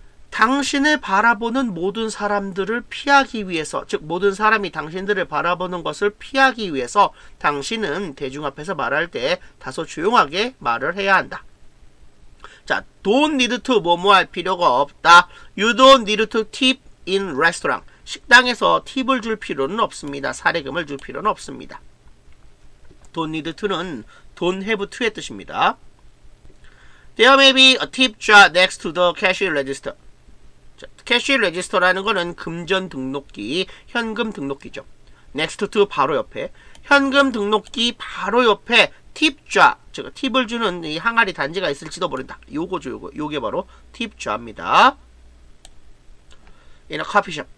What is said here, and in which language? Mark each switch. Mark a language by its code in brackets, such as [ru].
[ko] 당신을 바라보는 모든 사람들을 피하기 위해서, 즉 모든 사람이 당신들을 바라보는 것을 피하기 위해서 당신은 대중 앞에서 말할 때 다소 조용하게 말을 해야 한다. [en] 자, don't need to [ko] 뭐뭐할 필요가 없다. [en] You don't need to tip in restaurant. [ko] 식당에서 팁을 줄 필요는 없습니다. 사례금을 줄 필요는 없습니다. don't need to는 don't have to의 뜻입니다. [en] There may be a tip jar next to the cash register. [ko] 캐시 레지스터라는 거는 금전 등록기, 현금 등록기죠. Next to 바로 옆에, 현금 등록기 바로 옆에 팁좌, 즉 팁을 주는 이 항아리 단지가 있을지도 모른다. 요거죠, 요거. 요게 바로 팁좌입니다. [en] In a coffee shop.